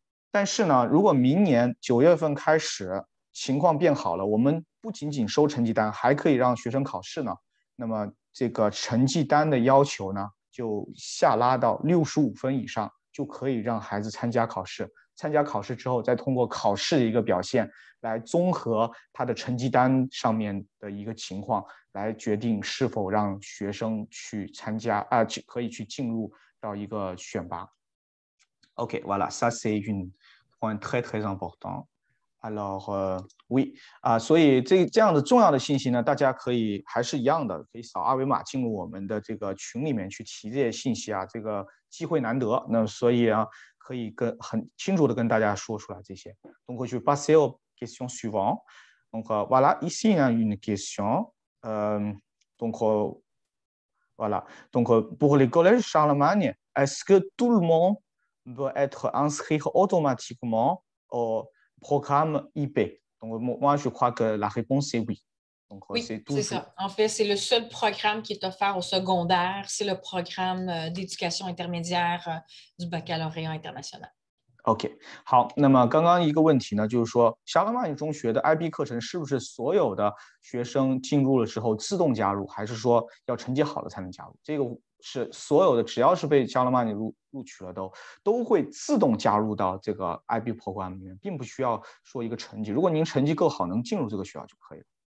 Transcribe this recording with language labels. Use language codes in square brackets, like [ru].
[zh] 但是呢如果明年九月份开始情况变好了，我们不仅仅收成绩单，还可以让学生考试呢，那么这个成绩单的要求呢就下拉到65分以上，就可以让孩子参加考试。参加考试之后再通过考试的一个表现来综合他的成绩单上面的一个情况，来决定是否让学生去参加可以去进入到一个选拔。 [fr] OK, voilà, ça c'est un point très très important. Alors, oui, [zh] 所以这样的重要的信息呢，大家可以还是一样的，可以扫二维码进入我们的这个群里面去提这些信息啊，这个机会难得，那所以啊，可以跟很清楚的跟大家说出来这些。 [fr] Donc, je vais passer aux questions suivantes. Donc, voilà, ici, il y a une question. Donc, voilà. Donc, pour les collèges Charlemagne, est-ce que tout le monde peut être inscrit automatiquement au programme IP? Donc, moi, je crois que la réponse est oui. Donc, oui, c'est ça. En fait, c'est le seul programme qui est offert au secondaire. C'est le programme d'éducation intermédiaire du baccalauréat international. OK. [zh] 好，那么刚刚一个问题呢，就是说，沙拉曼尼中学的 IB 课程是不是所有的学生进入了之后自动加入，还是说要成绩好了才能加入？这个是所有的，只要是被沙拉曼尼录取了都会自动加入到这个 IB program 里面，并不需要说一个成绩。如果您成绩够好，能进入这个学校就可以了。